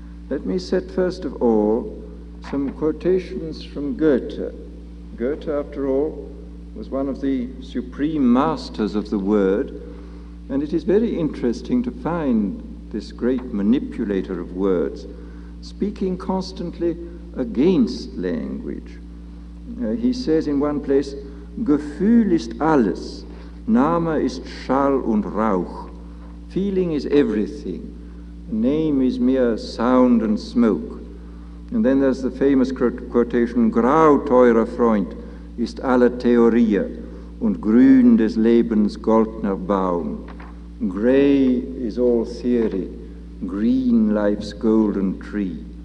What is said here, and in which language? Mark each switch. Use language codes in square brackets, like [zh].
[en] Let me set, first of all, some quotations from Goethe. Goethe, after all, was one of the supreme masters of the word, and it is very interesting to find this great manipulator of words speaking constantly against language. He says in one place, [de] "Gefühl ist alles, Name ist Schall und Rauch. [en] Feeling is everything, name is mere sound and smoke." And then there's the famous quotation, [de] "Grau, teurer Freund, ist alle Theorie und grün des Lebens goldner Baum." [en] Gray is all theory, green life's golden tree.